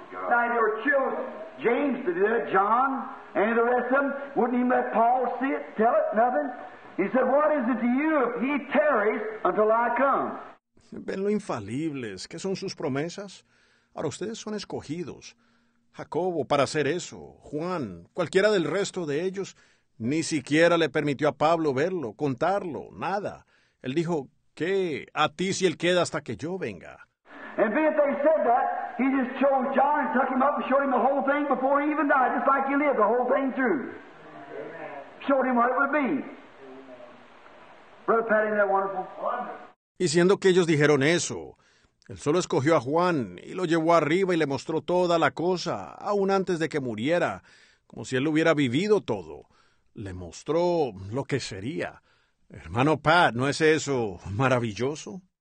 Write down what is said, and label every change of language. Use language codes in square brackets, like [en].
[en] Now your children, James did it, John, any of the rest of them, wouldn't even let Paul see it, tell it, nothing. He said, what is it to you if he tarries until I come? [es] Ven lo infalibles, ¿qué son sus promesas? Ahora ustedes son escogidos, Jacobo, para hacer eso, Juan, cualquiera del resto de ellos, ni siquiera le permitió a Pablo verlo, contarlo, nada. Él dijo, ¿qué? A ti si él queda hasta que yo venga. [en] And if they said that, he just chose John and took him up and showed him the whole thing before he even died, just like he lived the whole thing through. Amen. Showed him what it would be. Amen. Brother Patty, isn't that wonderful? [es] Y siendo que ellos dijeron eso, él solo escogió a Juan y lo llevó arriba y le mostró toda la cosa, aún antes de que muriera, como si él lo hubiera vivido todo. Le mostró lo que sería. Hermano Pat, ¿no es eso maravilloso?